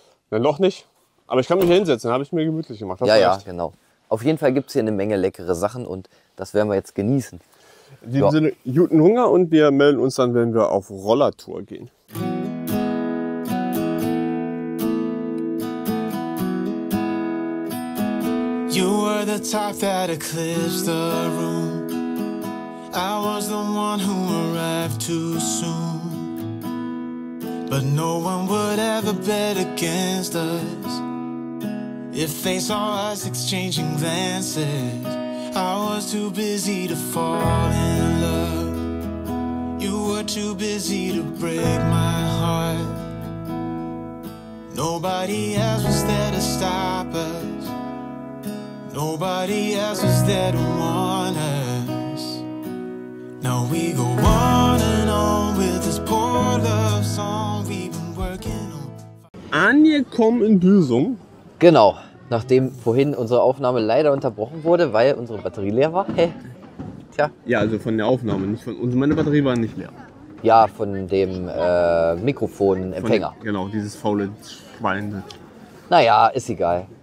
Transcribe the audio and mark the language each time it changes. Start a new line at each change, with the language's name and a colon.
German: Na, noch nicht. Aber ich kann mich hinsetzen, habe ich mir gemütlich gemacht. Ja, ja, genau. Auf jeden Fall gibt es hier eine Menge leckere Sachen und das werden wir jetzt genießen. In diesem Sinne, guten Hunger und wir melden uns dann, wenn wir auf Rollertour gehen.
English: You were the type that eclipsed the room. I was the one who arrived too soon. But no one would ever bet against us. If they saw us exchanging glances, I was too busy to fall in love. You were too busy to break my heart. Nobody else was there to stop us. Nobody else was there to warn us. Now we go on and on with this poor love song we've been working on.
German: Angekommen in Büsum. Genau. Nachdem vorhin unsere Aufnahme leider unterbrochen wurde, weil unsere Batterie leer war. Hey. Tja. Ja, also von der Aufnahme, nicht von uns. Meine Batterie war nicht leer. Ja, von dem Mikrofonempfänger. Von, genau, dieses faule Schwein. Naja, ist egal.